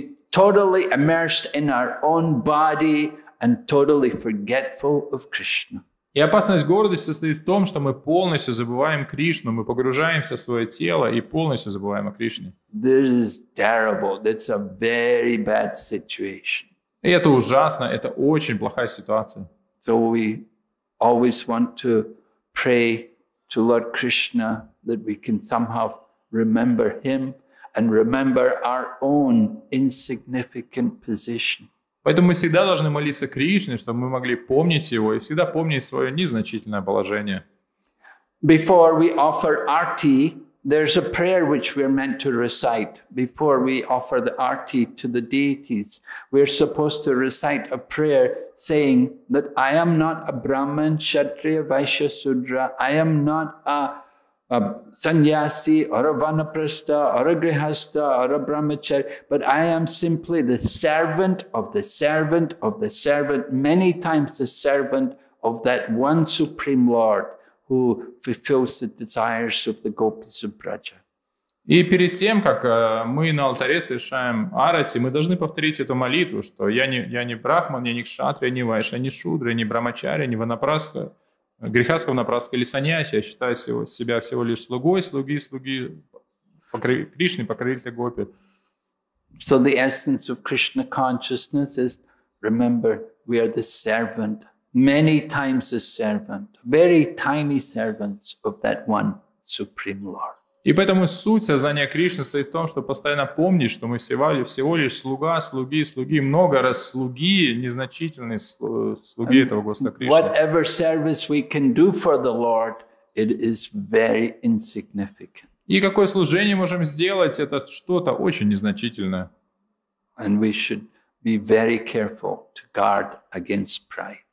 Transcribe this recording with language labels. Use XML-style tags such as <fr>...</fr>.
<en>Totally immersed in our own body and totally forgetful of Krishna.</en> <ru>И опасность гордости состоит в том, что мы полностью забываем Кришну, мы погружаемся в свое тело и полностью забываем о Кришне.</ru> <en>This is terrible. That's a very bad situation.</en> <ru>И это ужасно, это очень плохая ситуация.</ru> <en>So we always want to pray to Lord Krishna that we can somehow remember him. And remember our own insignificant position.</en> <ru>Поэтому мы всегда должны молиться Кришне, чтобы мы могли помнить его и всегда помнить свое незначительное положение.</ru> <en>Before we offer arti, there's a prayer which we're meant to recite. Before we offer the arti to the deities, we're supposed to recite a prayer saying that I am not a Brahman, Kshatriya, Vaishya, Sudra. I am not a sannyasi, or a vanaprastha, or a grihastha, or a brahmachari, but I am simply the servant of the servant of the servant, many times the servant of that one Supreme Lord who fulfills the desires of the gopis of Braja.</en> <ru>И перед тем, как мы на алтаре совершаем арати, мы должны повторить эту молитву, что я не брахман, я не кшатрия, не вайша, не шудра, не брахмачари, не ванапрастха, грехаского напрасно или саньяси, я считаю себя всего лишь слугой, слуги, Кришны, покровителя Гопи.</ru> <en>So the essence of Krishna consciousness is, remember, we are the servant, many times the servant, very tiny servants of that one Supreme Lord.</en> <ru>И поэтому суть сознания Кришны состоит в том, чтобы постоянно помнить, что мы всего лишь слуга, слуги, много раз слуги, незначительные слуги этого Господа Кришны.</ru> <en>Whatever service we can do for the Lord, it is very insignificant.</en> <ru>И какое служение можем сделать, это что-то очень незначительное.</ru> <en>And we should be very careful to guard against pride.</en>